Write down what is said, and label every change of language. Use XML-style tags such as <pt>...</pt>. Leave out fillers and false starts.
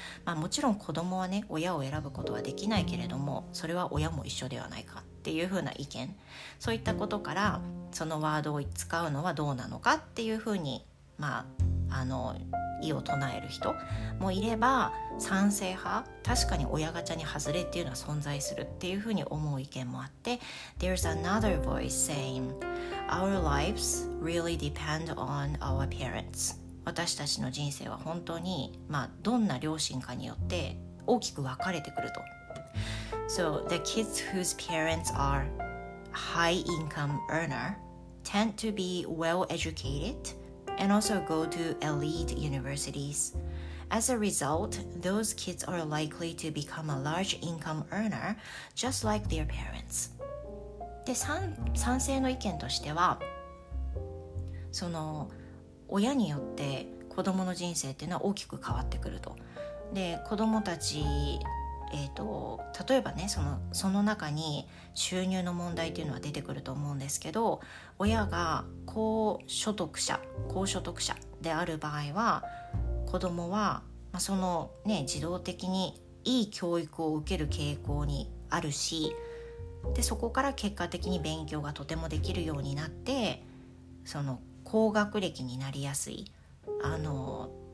<ja>まあ、もちろん子供はね、親を選ぶことはできないけれども、それは親も一緒ではないかっていうふうな意見、そういったことからそのワードを使うのはどうなのかっていうふうに、まあ、あの、意を唱える人もいれば、賛成派、確かに親ガチャに外れっていうのは存在するっていうふうに思う意見もあって、</ja> <en>There's another voice saying Our lives really depend on our parents.</en> <ja>私たちの人生は本当に、まあ、どんな両親かによって大きく分かれてくると。</ja> <en>So the kids whose parents are high income earner tend to be well educatedand also go to elite universities. As a result, those kids are likely to become a large income earner, just like their parents.</en> <ja>で、賛成の意見としては、その親によって子供の人生っていうのは大きく変わってくると。で、子供たち、例えばね、その中に収入の問題っていうのは出てくると思うんですけど、親が高所得者である場合は、子供は、まあ、そのね、自動的にいい教育を受ける傾向にあるし、でそこから結果的に勉強がとてもできるようになって、その高学歴になりやすい、あの、</ja>